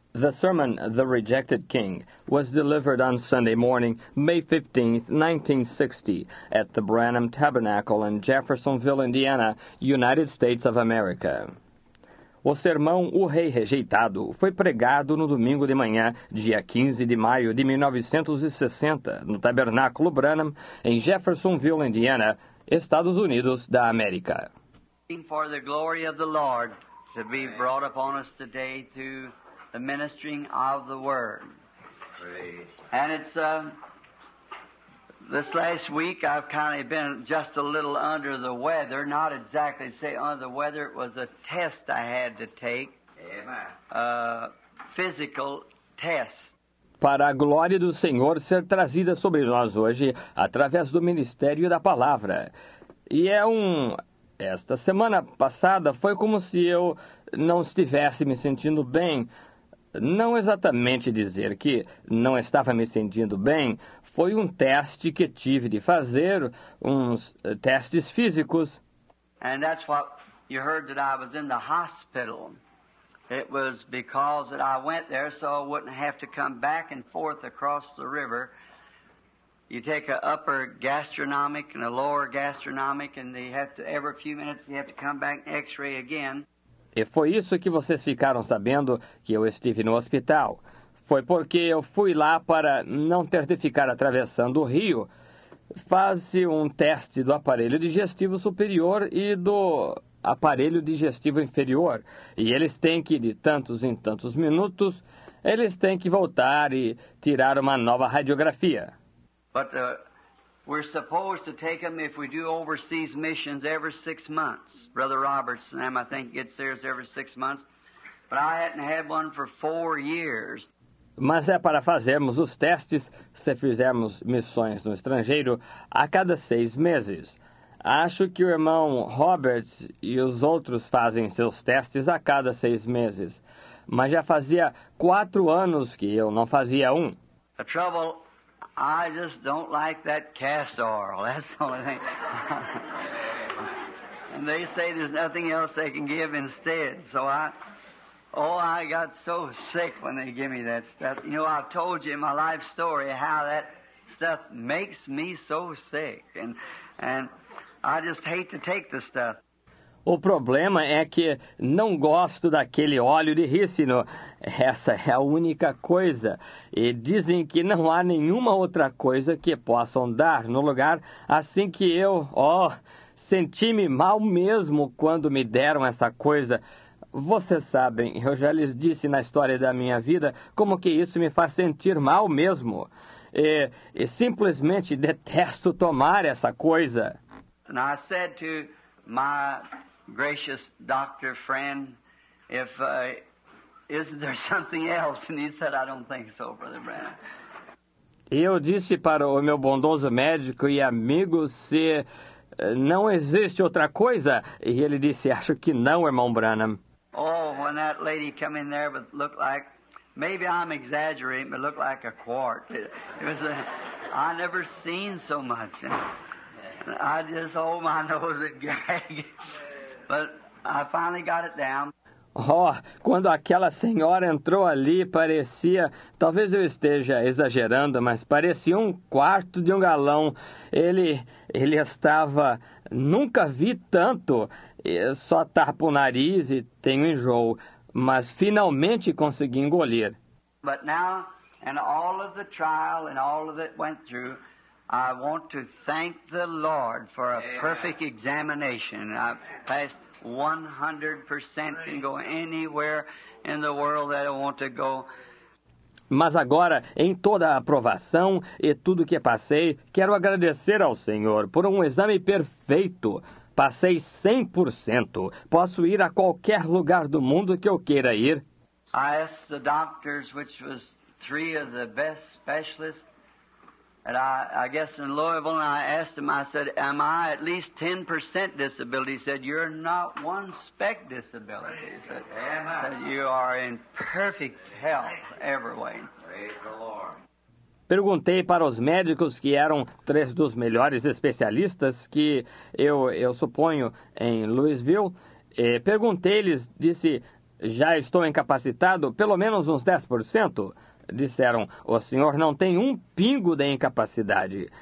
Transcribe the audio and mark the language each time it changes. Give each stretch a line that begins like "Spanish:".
English: The sermon, The Rejected King, was delivered on Sunday morning, May 15, 1960, at the Branham Tabernacle in Jeffersonville, Indiana, United States of America.
Portuguese: O sermão O Rei Rejeitado foi pregado no domingo de manhã, dia 15 de maio de 1960, no Tabernáculo Branham, em Jeffersonville, Indiana, Estados Unidos da América.
English: For the glory of the Lord to be brought upon us today to the ministering of the Word. Praise. And it's, this last week I've kind of been just a little under the weather, not exactly to say under the weather, it was a test I had to take, a physical test.
Portuguese: Para a glória do Senhor ser trazida sobre nós hoje, através do ministério da palavra. E é esta semana passada foi como se eu não estivesse me sentindo bem. Não exatamente dizer que não estava me sentindo bem, foi um teste que tive de fazer, uns testes físicos.
English: And that's what you heard that I was in the hospital. It was because that I went there so I wouldn't have to come back and forth across the river. You take a upper gastronomic and a lower gastronomic and they have to every few minutes you have to come back and x-ray again.
Portuguese: E foi isso que vocês ficaram sabendo que eu estive no hospital. Foi porque eu fui lá para não ter de ficar atravessando o rio. Faz-se um teste do aparelho digestivo superior e do aparelho digestivo inferior. E eles têm que, de tantos em tantos minutos, eles têm que voltar e tirar uma nova radiografia.
English: But we're supposed to take them if we do overseas missions every 6 months. Brother Roberts and them, I think, get theirs every 6 months. But I hadn't had one for 4 years.
Portuguese: Mas é para fazermos os testes, se fizermos missões no estrangeiro, a cada 6 meses. Acho que o irmão Roberts e os outros fazem seus testes a cada 6 meses. Mas já fazia 4 anos que eu não fazia um.
English: A trouble. I just don't like that castor oil, that's the only thing. And they say there's nothing else they can give instead. So I got so sick when they give me that stuff. You know, I've told you in my life story how that stuff makes me so sick. And I just hate to take the stuff.
Portuguese: O problema é que não gosto daquele óleo de rícino. Essa é a única coisa. E dizem que não há nenhuma outra coisa que possam dar no lugar. Assim que eu, senti-me mal mesmo quando me deram essa coisa. Vocês sabem, eu já lhes disse na história da minha vida como que isso me faz sentir mal mesmo. E simplesmente detesto tomar essa coisa.
English: And I said to my gracious doctor friend, isn't there something else? And he said, I don't think so, Brother Branham.
Portuguese: E eu disse para o meu bondoso médico e amigo se não existe outra coisa. E ele disse, acho que não, irmão Branham.
English: Oh, when that lady come in there, but looked like, maybe I'm exaggerating, but looked like a quart. I never seen so much. I just hold my nose and gag. But I finally got it down.
Portuguese: Oh, quando aquela senhora entrou ali, parecia, talvez eu esteja exagerando, mas parecia um quarto de um galão. Ele estava, nunca vi tanto, só tapa o nariz e tenho enjoo, mas finalmente consegui engolir.
English: But now, and all of the trial and all of it went through, I want to thank the Lord for a perfect examination. I passed 100%, can go anywhere in the world that I want to go.
Portuguese: Mas agora, em toda a aprovação e tudo que passei, quero agradecer ao Senhor por um exame perfeito. Passei 100%. Posso ir a qualquer lugar do mundo que eu queira ir.
English: I asked the doctors, which was 3 of the best specialists, and I guess in Louisville, and I asked him, I said, am I at least 10% disability? He said, you're not one speck disability. He said, you are in perfect health every way. Praise the Lord.
Portuguese: Perguntei para os médicos que eram 3 dos melhores especialistas que eu suponho em Louisville. Perguntei-lhes, disse, já estou incapacitado pelo menos uns 10%. Disseram, o senhor não tem um pingo de incapacidade.